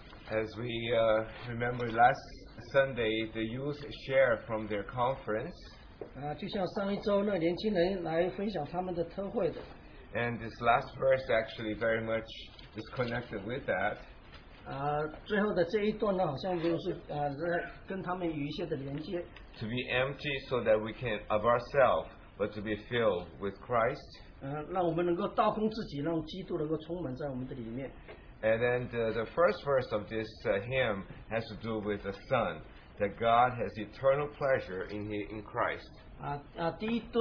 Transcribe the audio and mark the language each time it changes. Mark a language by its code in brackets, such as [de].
[en] As we remember last Sunday, the youth shared from their conference. And this last verse actually very much is connected with that. [zh] 最后的这一段呢，好像就是跟他们有一些的连接。 [en] To be empty so that we can of ourselves, but to be filled with Christ. [zh] 让我们能够倒空自己，让基督能够充满在我们的里面。 [en] And then the first verse of this hymn has to do with the Son, that God has eternal pleasure in Christ.